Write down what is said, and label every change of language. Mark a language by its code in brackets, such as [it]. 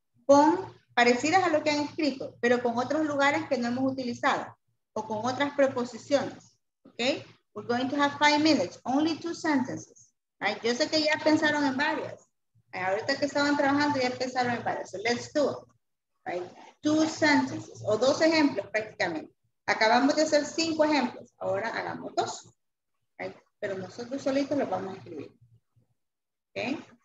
[es] Con parecidas a lo que han escrito, pero con otros lugares que no hemos utilizado o con otras preposiciones. [en] Okay? We're going to have 5 minutes, only two sentences. [es] Right? Yo sé que ya pensaron en varias. Ahorita que estaban trabajando ya empezaron en varias. [en] So let's do it. Right? Two sentences [es] o dos ejemplos prácticamente. Acabamos de hacer 5 ejemplos. Ahora hagamos 2. Right? Pero nosotros solitos los vamos a escribir. Okay?